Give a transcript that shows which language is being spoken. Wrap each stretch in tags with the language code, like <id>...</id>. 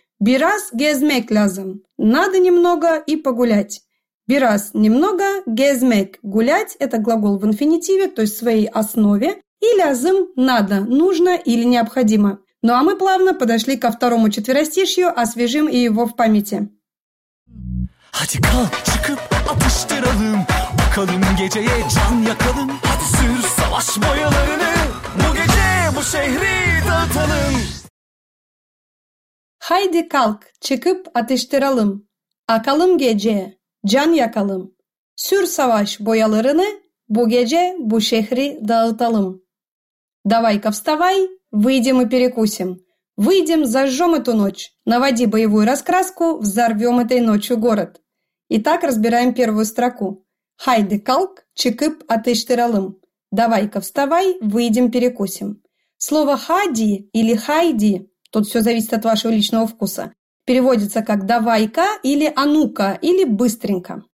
<tr>«Бирас гезмек лязым»</tr> <ru>– надо немного и погулять. «Бирас немного гезмек» – гулять – это глагол в инфинитиве, то есть в своей основе. И лязым – надо, нужно или необходимо. Ну а мы плавно подошли ко второму четверостишью, освежим и его в памяти.</ru> <tr>Hadi kal, çıkıp atıştıralım. Bakalım geceye can yakalım. Hadi sür savaş boyalarını. Bu gece bu şehri dağıtalım. Hadi kal, çıkıp atıştıralım. Akalım geceye, can yakalım. Sür savaş boyalarını. Bu gece bu şehri dağıtalım.</tr> <ru>«Давай-ка вставай, выйдем и перекусим. Выйдем, зажжем эту ночь. Наводи боевую раскраску, взорвем этой ночью город». Итак, разбираем первую строку.</ru> <tr>«Хайды калк, чекып атыштыралым».</tr> <ru>«Давай-ка вставай, выйдем, перекусим». Слово «хади» или «хайди» – тут все зависит от вашего личного вкуса – переводится как «давай-ка» или «а ну-ка» или «быстренько».</ru>